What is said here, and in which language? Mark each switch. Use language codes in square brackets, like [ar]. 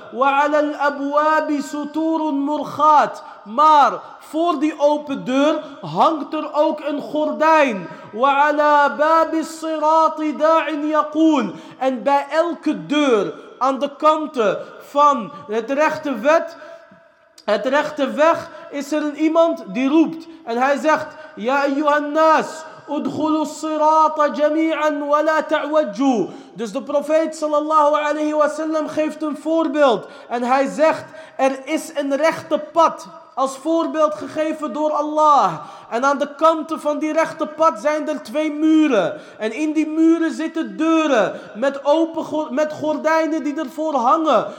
[ar] Wa'ala al-abwaabi suturun murghat, [nl] maar voor die open deur hangt er ook een gordijn. [ar] وَعَلَى بَابِ الصِّرَاطِ دَاعٍ يَقُولُ. [nl] En bij elke deur aan de kanten van het rechte wet, het rechte weg, is er iemand die roept. En hij zegt: [ar] يَا أَيُّهَا النَّاسُ ادخلوا الصراط جميعا ولا تعوجوا. [nl] Dus de profeet sallallahu alayhi wa sallam geeft een voorbeeld. En hij zegt: er is een rechte pad, als voorbeeld gegeven door Allah. En aan de kanten van die rechte pad zijn er twee muren. En in die muren zitten deuren met open met gordijnen die ervoor hangen.